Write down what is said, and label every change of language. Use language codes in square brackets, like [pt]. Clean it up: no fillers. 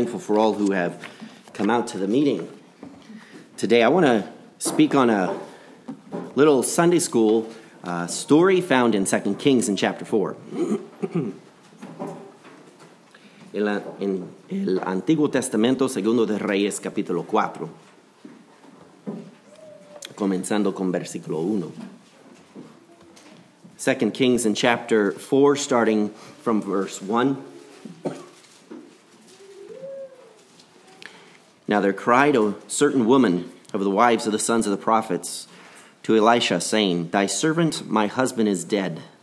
[en] Thankful for all who have come out to the meeting today. I want to speak on a little Sunday school story found in 2 Kings in chapter 4. [es] En el Antiguo Testamento, segundo de Reyes, capítulo 4. Comenzando con versículo 1. [en] 2 Kings in chapter 4, starting from verse 1. Now there cried a certain woman of the wives of the sons of the prophets to Elisha, saying, "Thy servant, my husband, is dead.